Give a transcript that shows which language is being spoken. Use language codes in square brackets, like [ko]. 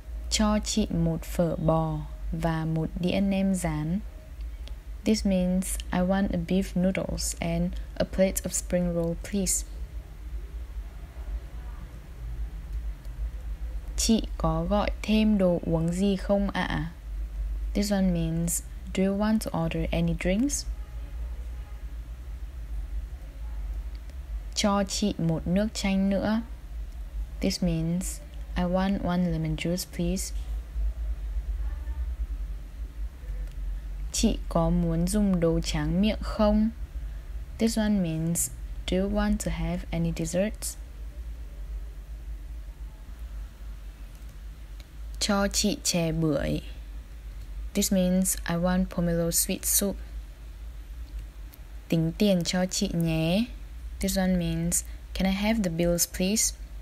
[vi] Cho chị một phở bò và một đĩa nem rán. [en] This means, I want a beef noodles and a plate of spring roll, please. [vi] Chị có gọi thêm đồ uống gì không ạ? [en] This one means, do you want to order any drinks? [vi] Cho chị một nước chanh nữa. [en] This means, I want one lemon juice, please. [vi] Chị có muốn dùng đồ tráng miệng không? [en] This one means, do you want to have any desserts? [vi] Cho chị chè bưởi. [en] This means, I want pomelo sweet soup. [vi] Tính tiền cho chị nhé. [en] This one means, can I have the bills please?